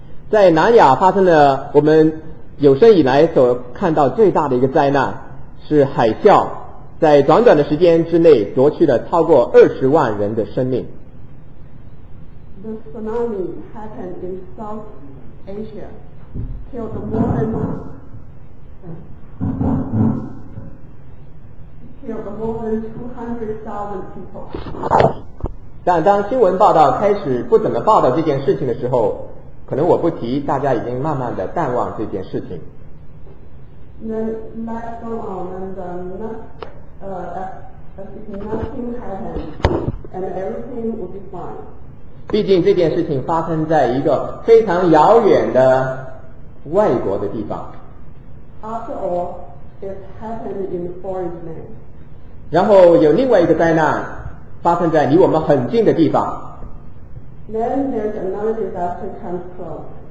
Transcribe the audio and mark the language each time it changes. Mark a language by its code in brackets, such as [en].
[zh] 在南亚发生了我们有生以来所看到最大的一个灾难，是海啸，在短短的时间之内夺去了超过20万人的生命。 [en] The tsunami happened in South Asia, killed more than 200,000 people. [zh] 但当新闻报道开始不怎么报道这件事情的时候，可能我不提，大家已经慢慢的淡忘这件事情。 [en] Then let's go on and nothing happened and everything will be fine. [zh] 毕竟这件事情发生在一个非常遥远的外国的地方。 [en] After all, it happened in foreign land. [zh] 然后有另外一个灾难发生在离我们很近的地方。 [en] Then there's another disaster comes close.